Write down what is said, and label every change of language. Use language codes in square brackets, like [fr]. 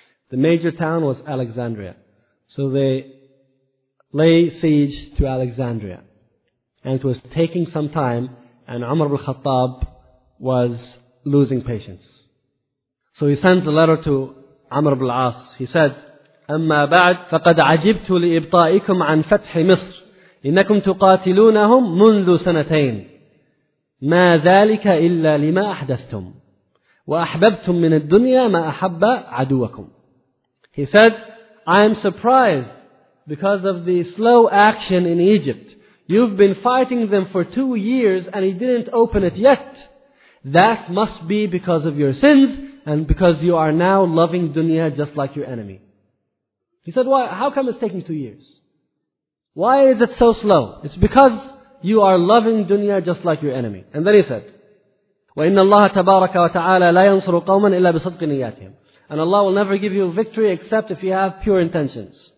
[en] The major town was Alexandria. So they lay siege to Alexandria. And it was taking some time, and Umar ibn al-Khattab was losing patience. So he sends a letter to Amr ibn al-As. He said, [ar] أما بعد فقد عجبت لإبطائكم عن فتح مصر إنكم تقاتلونهم منذ سنتين ما ذلك إلا لما أحدثتم وأحببتم من الدنيا ما أحب عدوكم. He said, [en] I am surprised because of the slow action in Egypt. You've been fighting them for 2 years and he didn't open it yet. That must be because of your sins and because you are now loving dunya just like your enemy. He said, why? How come it's taking 2 years? Why is it so slow? It's because you are loving dunya just like your enemy. And then he said, [ar] وَإِنَّ اللَّهَ تَبَارَكَ وَتَعَالَى لَا يَنْصُرُ قَوْمًا إِلَّا بِصَدْقِ نِيَاتِهِمْ. [en] And Allah will never give you victory except if you have pure intentions.